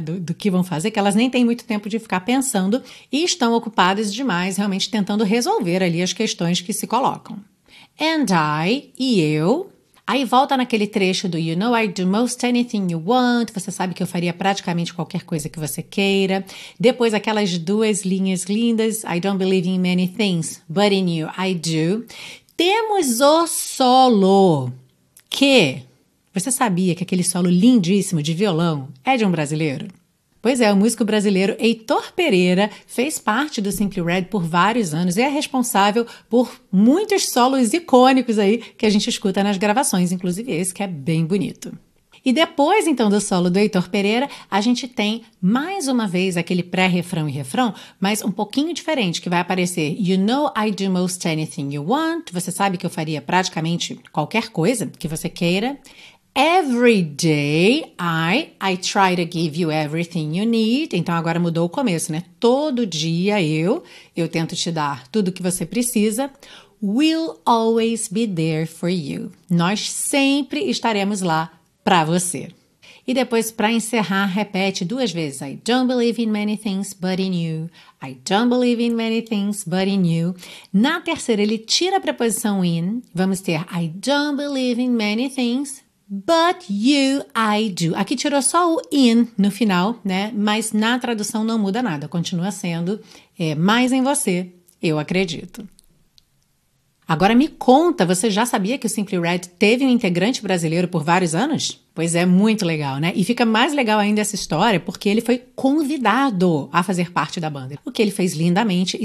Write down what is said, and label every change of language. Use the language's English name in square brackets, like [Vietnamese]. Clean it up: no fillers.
[Portuguese] Do que vão fazer, que elas nem têm muito tempo de ficar pensando e estão ocupadas demais, realmente tentando resolver ali as questões que se colocam. [English] And I, [Portuguese] e eu... Aí volta naquele trecho do [English] You know I do most anything you want. [Portuguese] Você sabe que eu faria praticamente qualquer coisa que você queira. Depois aquelas duas linhas lindas. [English] I don't believe in many things, but in you I do. [Portuguese] Temos o solo. Que? Você sabia que aquele solo lindíssimo de violão é de um brasileiro? Pois é, o músico brasileiro Heitor Pereira fez parte do Simply Red por vários anos e é responsável por muitos solos icônicos aí que a gente escuta nas gravações, inclusive esse que é bem bonito. E depois, então, do solo do Heitor Pereira, a gente tem mais uma vez aquele pré-refrão e refrão, mas um pouquinho diferente, que vai aparecer [English] You know I do most anything you want. [Portuguese] Você sabe que eu faria praticamente qualquer coisa que você queira. [English] Every day I try to give you everything you need. [Portuguese] Então agora mudou o começo, né? Todo dia eu tento te dar tudo que você precisa. [English] We'll always be there for you. [Portuguese] Nós sempre estaremos lá para você. E depois, para encerrar, repete duas vezes. [English] I don't believe in many things but in you. I don't believe in many things but in you. [Portuguese] Na terceira, ele tira a preposição in. Vamos ter [English] I don't believe in many things but you, I do. [Portuguese] Aqui tirou só o in no final, né? Mas na tradução não muda nada. Continua sendo mais em você, eu acredito. Agora me conta, você já sabia que o Simply Red teve um integrante brasileiro por vários anos? Pois é, muito legal, né? E fica mais legal ainda essa história porque ele foi convidado a fazer parte da banda, o que ele fez lindamente.